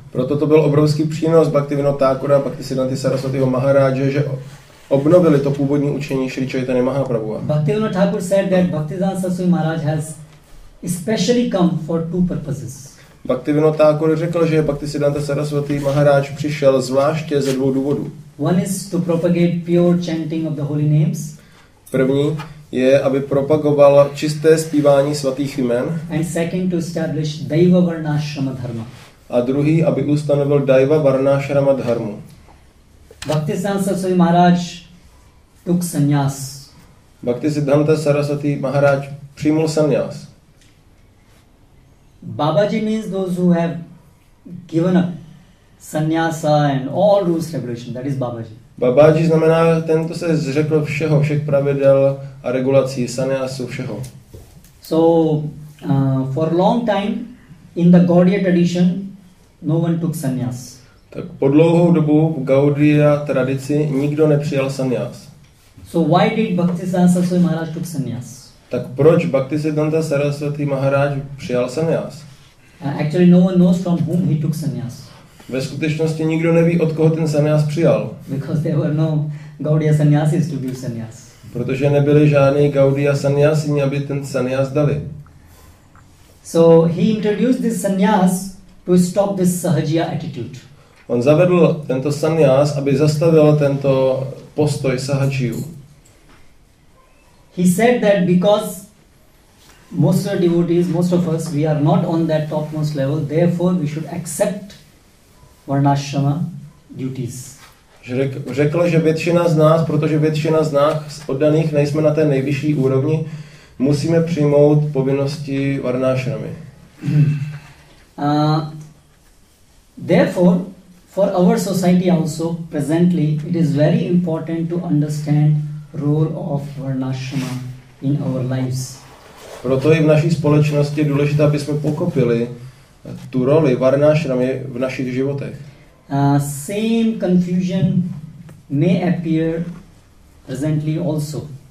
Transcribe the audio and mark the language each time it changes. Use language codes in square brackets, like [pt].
[cs] Proto to byl obrovský přínos Bhaktivinoda Thakura a Bhaktisiddhanta Sarasvatiho Maharaje, že obnovili to původní učení Sri Chaitanya Mahaprabhu. [en] Bhaktivinoda Thakur said that Bhaktisiddhanta Saraswati Maharaj has especially come for two purposes. [cs] Bhaktivinoda Thakur řekl, že Bhaktisiddhanta Saraswati Maharaj přišel zvláště ze dvou důvodů. [en] One is to propagate pure chanting of the holy names. [cs] První je, aby propagoval čisté zpívání svatých jmen. [en] And second to establish Daiva Varnashrama Dharma. [cs] A druhý, aby ustanovil Daiva Varnashrama Dharmu. [en] Bhaktisiddhanta Saraswati Maharaj took sannyas. [cs] Bhaktisiddhanta Saraswati Maharaj přijmul sannyas. [en] Babaji means those who have given up sannyasa and all rules regulation, that is Babaji. [cs] Babaji znamená, tento se zřekl všeho, všech pravidel a regulací, sannyasu, všeho. [en] So, for long time, in the Gaudiya tradition, no one took sannyas. [cs] Tak po dlouhou dobu v Gaudiya tradici nikdo nepřijal sannyas. [en] So why did Bhaktisiddhanta Saraswati Maharaj took sannyas? [cs] Tak proč Bhaktisiddhanta Saraswati Maharaj přijal sannyas? [en] Actually no one knows from whom he took sannyas. [cs] Ve skutečnosti nikdo neví, od koho ten sannyas přijal. [en] Because there were no Gaudiya sannyasis to give sannyas. [cs] Protože nebyli žádný Gaudiya sannyasini, aby ten sannyas dali. [en] So he introduced this sannyas to stop this sahajiya attitude. [cs] On zavedl tento sannyas, aby zastavil tento postoj sahajiyu. [en] He said that because most of the devotees, most of us, we are not on that topmost level, therefore we should accept varnashrama duties. [cs] Řekl, že většina z nás, protože většina z nás oddaných nejsme na té nejvyšší úrovni, musíme přijmout povinnosti varnashramy. [en] Therefore, for our society also presently, it is very important to understand role of varnashrama in our lives. [cs] Proto i v naší společnosti je důležité, aby jsme pochopili tu roli varnashramy v našich životech. [en] Same confusion may appear presently also.